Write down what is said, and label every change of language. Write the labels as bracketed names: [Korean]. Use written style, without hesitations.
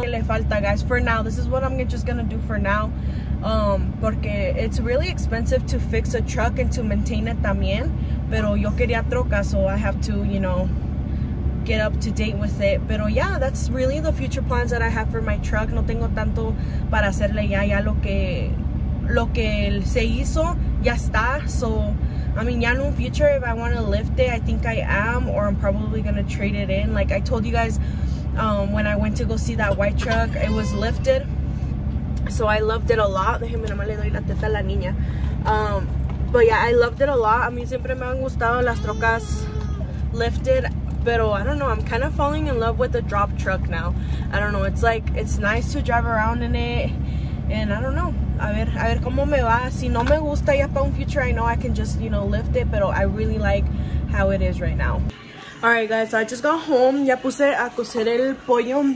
[English] Le falta, guys, for now. This is what I'm just gonna do for now. Porque it's really expensive to fix a truck and to maintain it también. Pero yo quería troca, so I have to, you know, get up to date with it. Pero yeah, that's really the future plans that I have for my truck. [Spanish] No tengo tanto para hacerle ya lo que se hizo, ya está. [English] So, I mean, yeah, in the future, if I want to lift it, I think I am, or I'm probably going to trade it in. Like I told you guys, when I went to go see that white truck, it was lifted. So I loved it a lot. [Spanish] Déjeme, nomás le doy la teta a la niña. But yeah, I loved it a lot. A mí siempre me han gustado las trocas lifted. [English] Pero I don't know, I'm kind of falling in love with the drop truck now. I don't know, it's like, it's nice to drive around in it. And I don't know, a ver cómo me va. Si no me gusta ya para un future, I know I can just, you know, lift it. Pero I really like how it is right now. All right, guys, so I just got home. Ya puse a cocer el pollo.